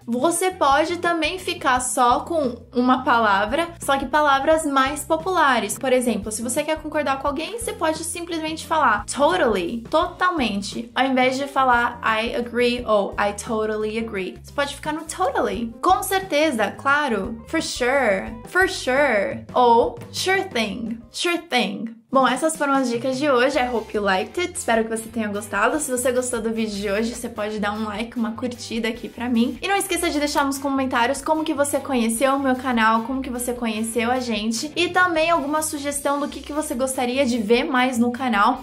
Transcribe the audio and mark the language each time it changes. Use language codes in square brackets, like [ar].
[pt] Você pode também ficar só com uma palavra, só que palavras mais populares. Por exemplo, se você quer concordar com alguém, você pode simplesmente falar totally, totalmente, ao invés de falar I agree ou [en] I totally agree. [pt] Você pode ficar no totally. Com certeza, claro, [en] for sure, ou sure thing, sure thing. [pt] Bom, essas foram as dicas de hoje. [en] I hope you liked it. [pt] Espero que você tenha gostado. Se você gostou do vídeo de hoje, você pode dar um like, uma curtida aqui pra mim. E não esqueça de deixar nos comentários como que você conheceu o meu canal, como que você conheceu a gente. E também alguma sugestão do que você gostaria de ver mais no canal.